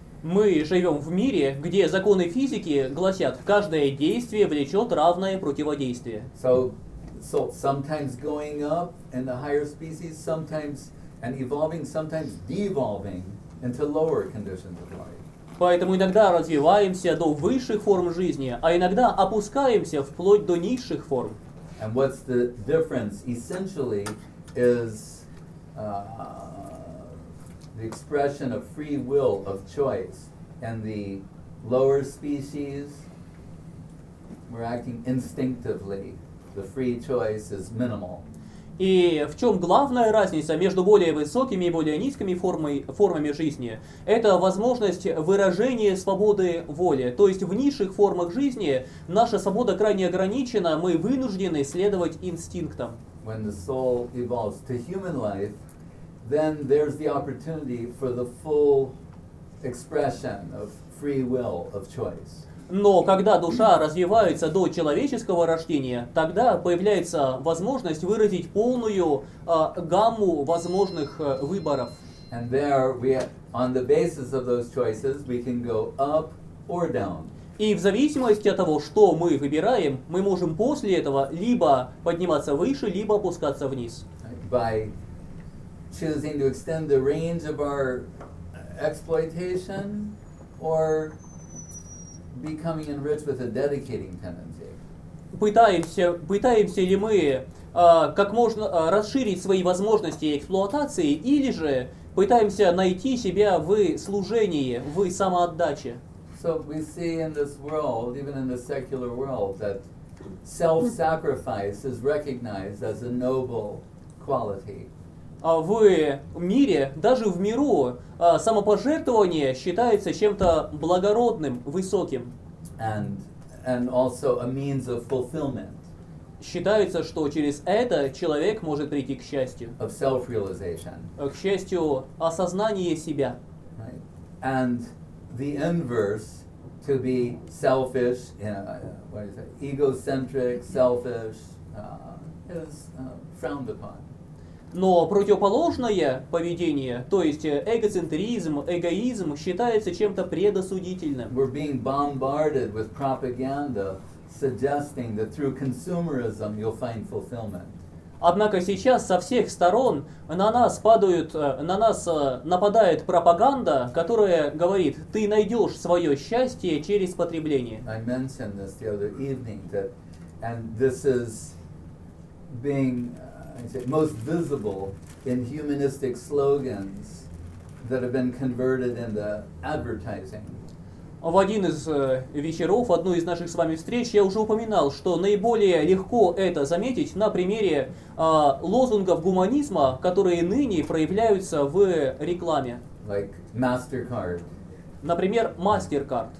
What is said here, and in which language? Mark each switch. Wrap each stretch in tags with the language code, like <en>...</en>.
<ru>Мы живем в мире, где законы физики гласят, каждое действие влечет равное противодействие.</ru> <en>So sometimes going up in the higher species, sometimes and evolving, sometimes devolving into lower conditions of life.</en> <ru>Поэтому иногда развиваемся до высших форм жизни, а иногда опускаемся вплоть до низших форм.</ru> <en>And what's the difference essentially is the expression of free will, of choice, and the lower species we're acting instinctively. the free choice is minimal.</en> <ru>И в чем главная разница между более высокими и более низкими формами жизни? Это возможность выражения свободы воли. То есть в низших формах жизни наша свобода крайне ограничена, мы вынуждены следовать инстинктам.</ru> <en>When the soul evolves to human life, then there's the opportunity for the full expression of free will, of choice.</en> <ru>Но когда душа развивается до человеческого рождения, тогда появляется возможность выразить полную гамму возможных выборов.</ru> <en>And there we have, on the basis of those choices, we can go up or down.</en> <ru>И в зависимости от того, что мы выбираем, мы можем после этого либо подниматься выше, либо опускаться вниз.</ru> <en>By choosing to extend the range of our exploitation or becoming enriched with a dedicating tendency.</en> <ru>Пытаемся ли мы как можно расширить свои возможности эксплуатации, или же пытаемся найти себя в служении, в самоотдаче?</ru> <en>So we see in this world, even in the secular world, that self-sacrifice is recognized as a noble quality.</en> <ru>В мире, даже в миру, самопожертвование считается чем-то благородным, высоким.</ru> <en>And also a means of fulfillment.</en> <ru>Считается, что через это человек может прийти к счастью.</ru> <en>Of self-realization.</en> <ru>К счастью, осознание себя.</ru> <en>Right. And the inverse, to be selfish, egocentric, selfish, is frowned upon.</en> <ru>Но противоположное поведение, то есть эгоцентризм, эгоизм, считается чем-то предосудительным.</ru> <en>We're being bombarded with propaganda suggesting that through consumerism you'll find fulfillment.</en> <ru>Однако сейчас со всех сторон нападает пропаганда, которая говорит: ты найдешь свое счастье через потребление.</ru> <en>I mentioned this the other evening, that, and this is being most visible in humanistic slogans that have been converted into advertising.</en> <ru>В один из вечеров, одну из наших с вами встреч, я уже упоминал, что наиболее легко это заметить на примере лозунгов гуманизма, которые ныне проявляются в рекламе.</ru> <en>Like MasterCard.</en> <ru>Например, MasterCard.</ru>